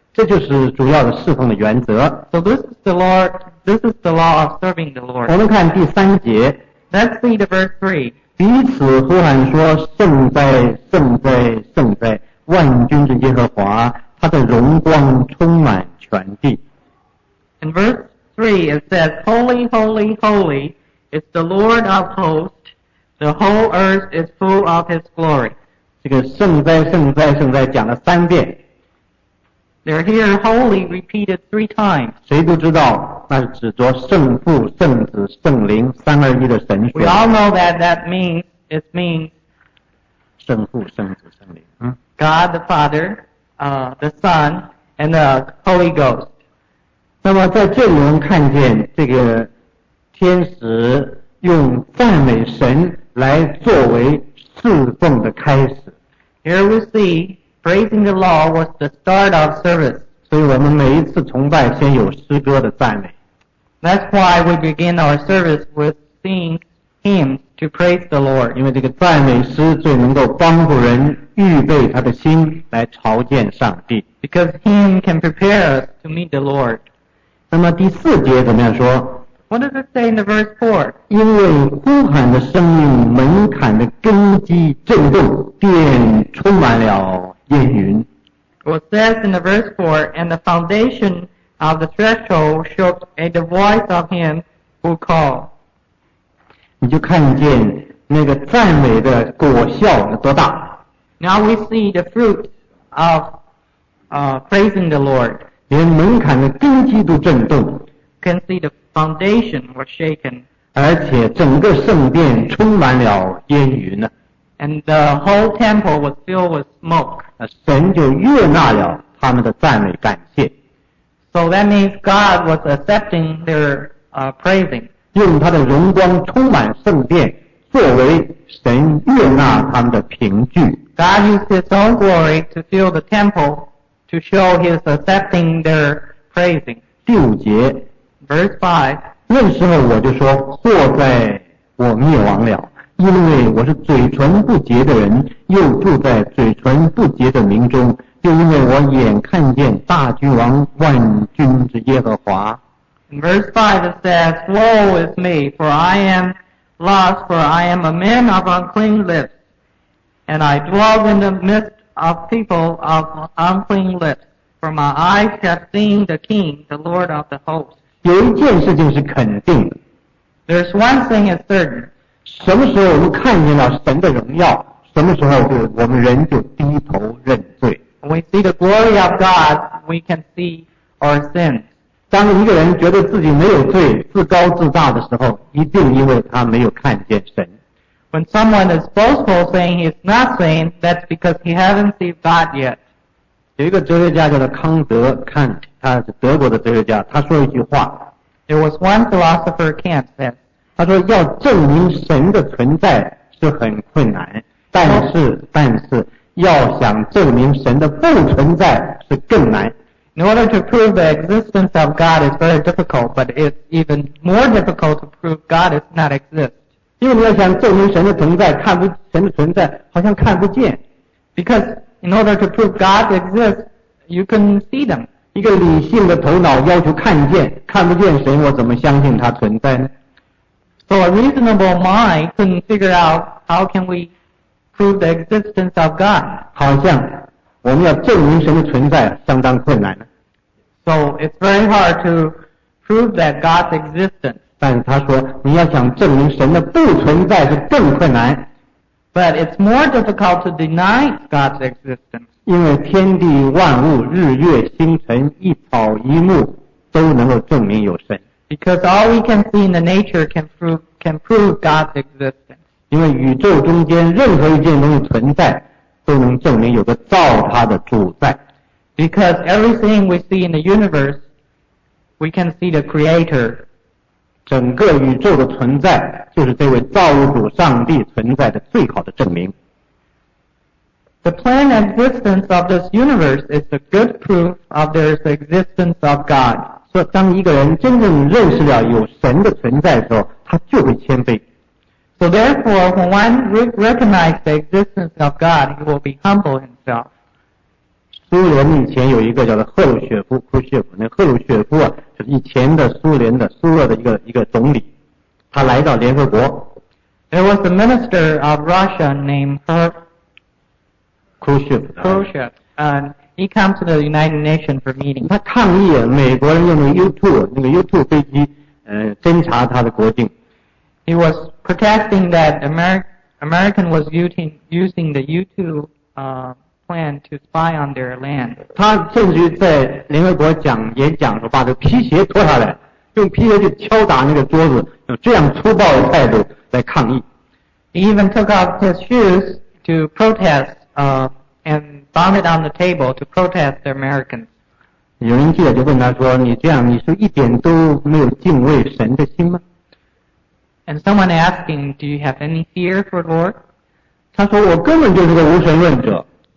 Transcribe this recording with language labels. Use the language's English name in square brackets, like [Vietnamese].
[Chinese] 这就是主要的侍奉的原则。 [English] So this is the law of serving the Lord. [Chinese] 我们看第三节。 [English] Let's see the verse 3. [Chinese] 彼此呼喊说，圣哉，圣哉，圣哉，万军之耶和华，他的荣光充满全地。 [English] In verse 3 it says, Holy, holy, holy is the Lord of hosts. The whole earth is full of His glory. [Chinese] 这个圣哉圣哉圣哉讲了三遍。 [English] They're here holy repeated three times. [Chinese] 谁都知道那是指着圣父、圣子、圣灵三而一的神学。 [English] We all know that that means, it means [Chinese] 圣父、圣子、圣灵。 [English] God the Father, the Son, and the Holy Ghost. [Chinese] 那么在这里我们看见这个天使用赞美神来作为侍奉的开始。 [English] Here we see, praising the law was the start of service. [Chinese] 所以我们每一次崇拜先有诗歌的赞美。 [English] That's why we begin our service with singing hymns to praise the Lord. [Chinese] 因为这个赞美诗最能够帮助人预备他的心来朝见上帝。 [English] Because hymn can prepare us to meet the Lord. [Chinese] 那么第四节怎么样说？ [English] What does it say in the verse 4? [Chinese] 因为呼喊的声音，门槛的根基震动，便充满了烟云。 [English] What says in the verse 4, and the foundation of the threshold shook at the voice of him who called. [Chinese] 你就看见那个赞美的果效有多大。 [English] Now we see the fruit of praising the Lord. [Chinese] 连门槛的根基都震动。 [English] Can see the foundation was shaken. [Chinese] 而且整个圣殿充满了烟云。 [English] And the whole temple was filled with smoke. [Chinese] 神就悦纳了他们的赞美感谢。 [English] So that means God was accepting their praising. [Chinese] 用他的荣光充满圣殿作为神悦纳他们的凭据。 [English] God used his own glory to fill the temple to show his accepting their praising. [Chinese] 第五节。 [English] Verse 5. [Chinese] 那时候我就说，祸在我灭亡了，因为我是嘴唇不洁的人，又住在嘴唇不洁的民中，又因为我眼看见大君王万军之耶和华。 [English] Verse 5 it says, Woe is me, for I am lost, for I am a man of unclean lips, and I dwell in the midst of people of unclean lips, for my eyes have seen the King, the Lord of the hosts. [Chinese] 有一件事情是肯定的。 [English] There's one thing is certain. [Chinese] 什么时候我们看见了神的荣耀，什么时候就我们人就低头认罪。 [English] When we see the glory of God, we can see our sins. [Chinese] 当一个人觉得自己没有罪，自高自大的时候，一定因为他没有看见神。 [English] When someone is boastful saying he's not sin, that's because he hasn't seen God yet. [Chinese] 有一个哲学家叫做康德，看他是德国的哲学家，他说一句话。 [English] There was one philosopher, Kant, said. [Chinese] 他说要证明神的存在是很困难，但是要想证明神的不存在是更难。 [English] In order to prove the existence of God is very difficult, but it's even more difficult to prove God is not exist. [Chinese] 因为你要想证明神的存在，看不神的存在好像看不见。 [English] Because in order to prove God exists, you can see them. [Chinese] 一个理性的头脑要求看见，看不见神，我怎么相信他存在呢？ [English] So a reasonable mind couldn't figure out how can we prove the existence of God. [Chinese] 好像我们要证明神的存在相当困难。 [English] So it's very hard to prove that God's existence. [Chinese] 但是他说，你要想证明神的不存在是更困难。 [English] But it's more difficult to deny God's existence. [Chinese] 因为天地万物、日月星辰、一草一木都能够证明有神。 [English] Because all we can see in the nature can prove God's existence. [Chinese] 因为宇宙中间任何一件东西存在，都能证明有个造它的主在。 [English] Because everything we see in the universe, we can see the Creator. [Chinese] 整个宇宙的存在，就是这位造物主上帝存在的最好的证明。 [English] The plain existence of this universe is a good proof of there is the existence of God. [Chinese] 说当一个人真正认识了有神的存在的时候，他就会谦卑。 [English] So therefore, when one recognizes the existence of God, he will be humble himself. [Chinese] 苏联以前有一个叫做赫鲁雪夫，赫鲁雪夫，那赫鲁雪夫啊，就是以前的苏联的苏俄的一个总理，他来到联合国。 [English] There was a minister of Russia named Khrushchev, and he came to the United Nations for meeting. [Chinese] 他抗议美国人用那个 U-2 飞机，侦查他的国境。 [English] He was protesting that American was using the U-2 plan to spy on their land. [Chinese] 他甚至在联合国讲演讲的时候，把这个皮鞋脱下来，用皮鞋去敲打那个桌子，用这样粗暴的态度来抗议。 [English] He even took off his shoes to protest, and bounded on the table to protest the Americans. [Chinese] 有人记者就问他说：“你这样，你是一点都没有敬畏神的心吗？” [English] And someone asking, "Do you have any fear for the Lord?" [Chinese] 他说：“我根本就是个无神论者。”